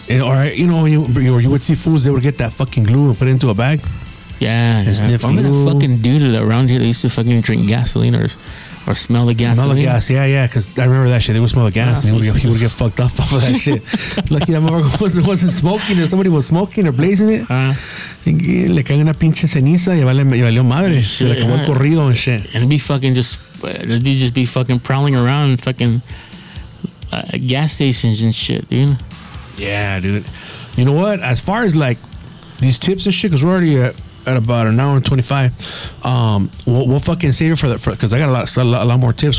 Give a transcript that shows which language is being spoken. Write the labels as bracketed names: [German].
[English] All right, you know, you would see fools, they would get that fucking glue and put it into a bag. Yeah. I'm gonna fucking dude around here that used to fucking drink gasoline or smell the gasoline. Smell the gas, yeah, because I remember that shit. They would smell the gas and he would get fucked up off of that shit. Lucky that motherfucker wasn't smoking or somebody was smoking or blazing it. [Spanish] Le cae una pinche ceniza y valió madre. Se le acabó el corrido [English] and shit. And it'd be fucking just, you'd just be fucking prowling around fucking gas stations and shit, dude. Yeah, dude. You know what? As far as like these tips and shit, because we're already at about an hour and 25, we'll fucking save it for that, because I got a lot more tips.